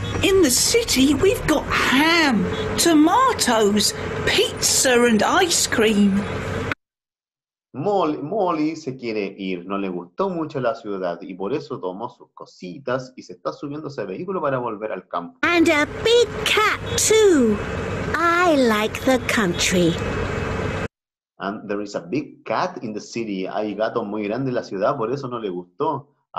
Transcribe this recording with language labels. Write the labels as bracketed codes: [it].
[en] In the city, we've got ham, tomatoes, pizza and ice cream. [es] Molly se quiere ir, no le gustó mucho la ciudad y por eso tomó sus cositas y se está subiendo ese vehículo para volver al campo. [en] And a big cat too. I like the country. And there is a big cat in the city. [es] Hay gato muy grande en la ciudad, por eso no le gustó.